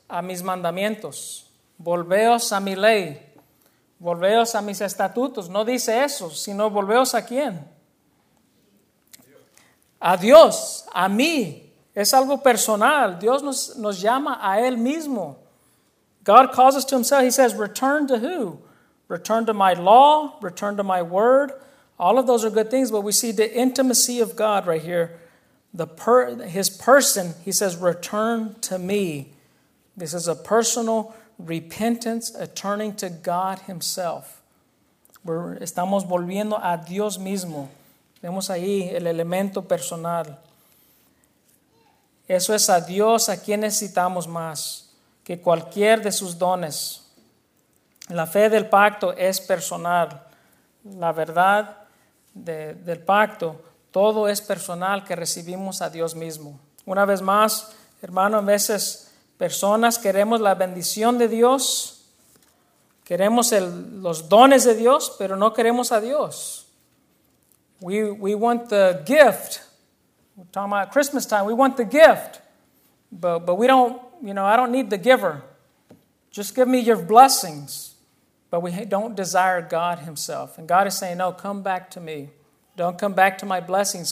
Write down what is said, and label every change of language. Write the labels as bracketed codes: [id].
[es] a mis mandamientos. Volveos a mi ley. Volveos a mis estatutos. No dice eso, sino volveos a quién. A Dios, a mí. Es algo personal. Dios nos llama a Él mismo. [en] God calls us to Himself. He says, return to who? Return to my law, return to my word. All of those are good things, but we see the intimacy of God right here. His person, he says, return to me. This is a personal repentance, a turning to God himself. [es] Estamos volviendo a Dios mismo. Vemos ahí el elemento personal. Eso es a Dios a quien necesitamos más que cualquier de sus dones. La fe del pacto es personal. La verdad del pacto, todo es personal que recibimos a Dios mismo. Una vez más, hermano, a veces personas queremos la bendición de Dios, queremos los dones de Dios, pero no queremos a Dios. [en] We want the gift. We're talking about Christmas time. We want the gift. But we don't, you know, I don't need the giver. Just give me your blessings. But we don't desire God himself. And God is saying, no, come back to me. Don't come back to my blessings.